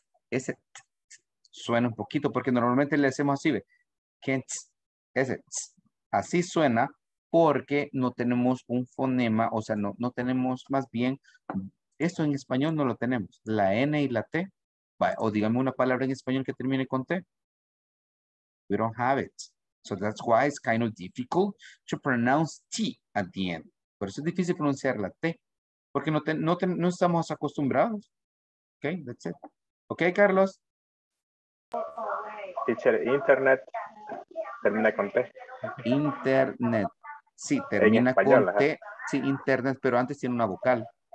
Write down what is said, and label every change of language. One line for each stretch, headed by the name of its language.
Spanish: Ese t, t, suena un poquito porque normalmente le hacemos así. Kent, ese. T. Así suena porque no tenemos un fonema, o sea, no tenemos más bien, esto en español no lo tenemos, la N y la T. O dígame una palabra en español que termine con T.
English: We don't have it. So that's why it's kind of difficult to pronounce T at the end.
Spanish: Por eso es difícil pronunciar la T, porque no estamos acostumbrados.
English: Ok, that's it. Ok, Carlos.
Spanish: Teacher, internet termina con T. Internet. Sí, termina con T. Sí, internet, pero antes tiene una vocal.